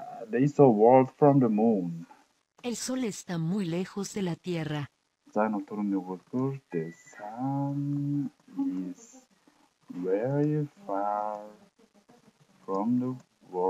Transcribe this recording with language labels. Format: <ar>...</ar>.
<en>They saw world from the moon.</en> <es>El sol está muy lejos de la tierra.</es> <en>The sun is very far from the</en>